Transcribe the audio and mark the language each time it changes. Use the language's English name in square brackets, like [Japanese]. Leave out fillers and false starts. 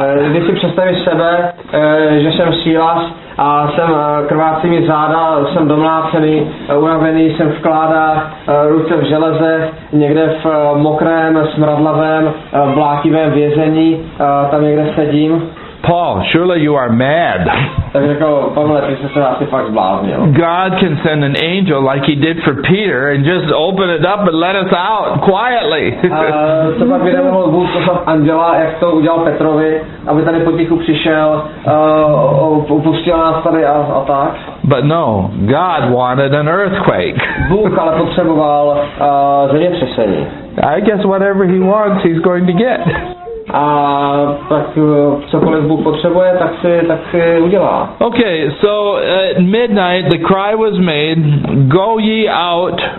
[Czech] Když si představíš sebe, že jsem Silas a jsem krvácími záda, jsem domlácený, unavený, jsem vkládá ruce v železe, někde v mokrém, smradlavém, blátivém vězení, tam někde sedím. [English] Paul, surely you are mad. [Czech] Tak řekl, Pavle, ty jsi se asi fakt zbláznil. [English] God can send an angel like he did for Peter and just open it up and let us out quietly. [Czech] To pak by nemohl Bůh poslat anděla, jak to udělal Petrovi, aby tady potichu přišel, upustil nás tady a tak. [English] But no, God wanted an earthquake. [Czech] Bůh ale potřeboval zemětřesení. [English] I guess whatever he wants, he's going to get. [Czech] A tak cokoliv Bůh potřebuje, tak si udělá. [English] Okay, so at midnight the cry was made, go ye out.